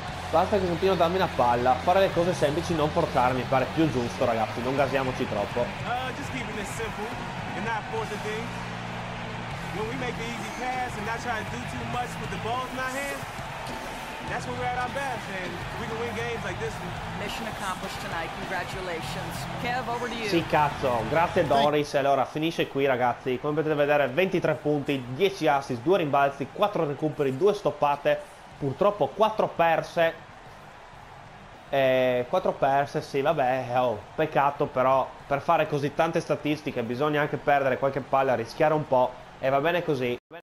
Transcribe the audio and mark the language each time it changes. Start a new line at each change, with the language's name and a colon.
Italian: Basta che continuo a darmi una palla, fare le cose semplici, non forzarmi, mi pare più giusto, ragazzi, non gasiamoci troppo.
English: Just keeping it simple and not forcing things. When we make the easy pass and not trying to do too much with the ball in our hands, that's when we're at our best and we can win games like this one. Mission accomplished tonight, congratulations. Kev, over to
Italian: Sì,
English: you.
Italian: cazzo, grazie Doris. Allora, finisce qui, ragazzi. Come potete vedere, 23 punti, 10 assist, 2 rimbalzi, 4 recuperi, 2 stoppate, purtroppo 4 perse. 4 perse, sì, vabbè, oh, peccato, però per fare così tante statistiche bisogna anche perdere qualche palla, rischiare un po', e va bene così.